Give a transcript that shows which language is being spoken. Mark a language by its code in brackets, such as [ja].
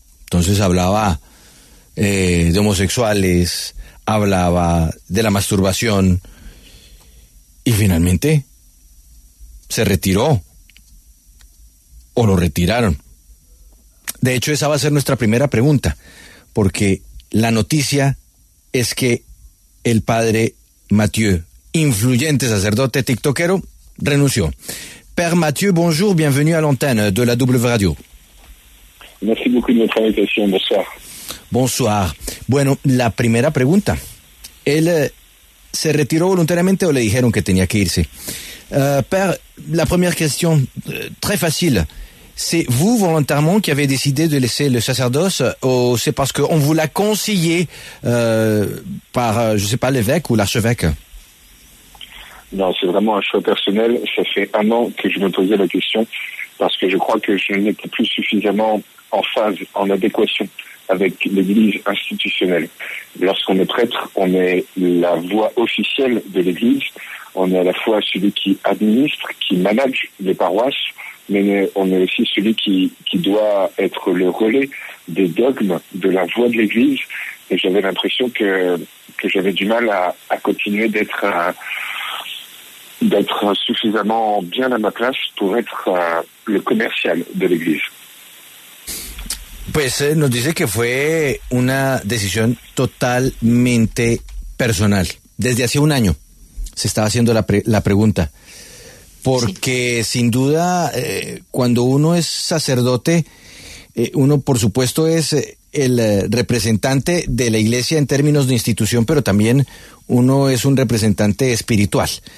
[es] Entonces hablaba de homosexuales, hablaba de la masturbación y finalmente se retiró, o lo retiraron. De hecho, esa va a ser nuestra primera pregunta, porque la noticia es que el padre Mathieu, influyente sacerdote tiktokero, renunció. [fr] Père Mathieu, bonjour, bienvenue à l'antenne de la W Radio. Merci beaucoup de votre invitation, bonsoir. Bonsoir. [es] Bueno, la primera pregunta. ¿Él se retiró voluntariamente o le dijeron que tenía que irse? [fr] Père, la première question, très facile. ¿C'est vous volontairement qui avez décidé de laisser le sacerdoce ou c'est parce qu'on vous l'a conseillé par, je sais pas, l'évêque ou l'archevêque? Non, c'est vraiment un choix personnel. Ça fait un an que je me posais la question parce que je crois que je n'étais plus suffisamment en phase, en adéquation avec l'Église institutionnelle. Lorsqu'on est prêtre, on est la voix officielle de l'Église. On est à la fois celui qui administre, qui manage les paroisses, mais on est aussi celui qui doit être le relais des dogmes, de la voix de l'Église. Et j'avais l'impression que j'avais du mal à continuer d'être suffisamment bien à ma place pour être le commercial de l'Église. [es] Pues nos dice que fue una decisión totalmente personal. Desde hace un año se estaba haciendo la pregunta. Porque sí, sin duda, cuando uno es sacerdote, uno por supuesto es el representante de la Iglesia en términos de institución, pero también uno es un representante espiritual.